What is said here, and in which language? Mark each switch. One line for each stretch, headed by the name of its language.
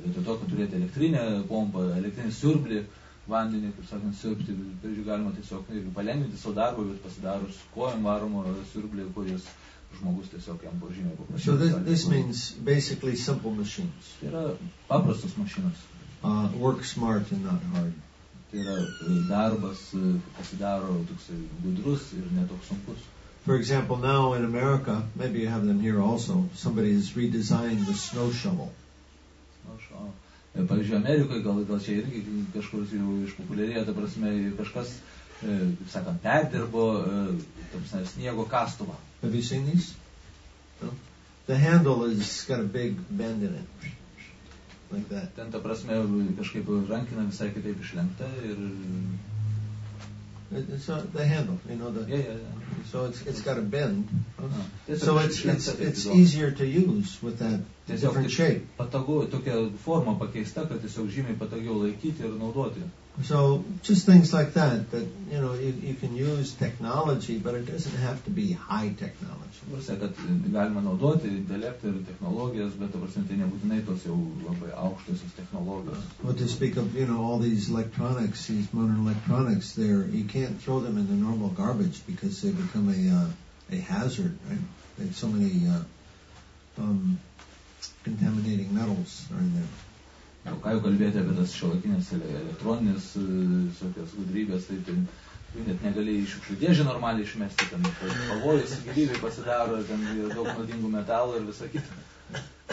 Lithuanian: Vietoj to, kad turėti elektrinę pompą, elektrinį siurblį, vandenį, kaip sakant, siurbti, pavyzdžiui, galima tiesiog palengvinti savo darbą, bet pasidarus kojom varomo siurblį, kuris žmogus tiesiog jam buvo žymiai paprasčiau.
English: So this means basically simple machines.
Lithuanian: Tai yra paprastos mašinos.
English: Work smart and not hard.
Lithuanian: Tai yra darbas pasidaro toksai gudrus ir ne toks sunkus.
English: For example, now in America, maybe you have them here also, somebody has redesigned the snow shovel.
Lithuanian: Pavyzdžiui, Amerikoje gal čia irgi kažkur jau išpopuliarėjo, ta prasme, kažkas, kaip sakant, perdirbo sniego kastuvą.
English: Have you seen these? No. The handle has got a big bend in it, like that.
Lithuanian: Ten ta prasme kažkaip rankina visai kitaip išlengta ir
English: It's the handle, you know. Yeah. So it's got a bend. So it's easier to use with that different shape.
Lithuanian: Patogu, tokia forma pakeista, kad tiesiog žymiai patogiau laikyti ir naudoti.
English: So just things like that you know you can use technology, but it doesn't have to be high technology.
Lithuanian: Galima naudoti intelektą ir technologijas, bet tai nebūtinai tos jau labai aukštosios technologijos.
English: But to speak of, you know, all these electronics, these modern electronics, there you can't throw them in the normal garbage because they become a hazard, right? They have so many contaminating metals are in there.
Lithuanian: O ką jau kalbėti apie tas šiuolaikinės elektroninės visokias gudrybės, tai ten net negali iš šiukšlių dėžę normaliai išmesti, ten pavojus gyvybei pasidaro, ten daug nuodingų metalų ir visa kita.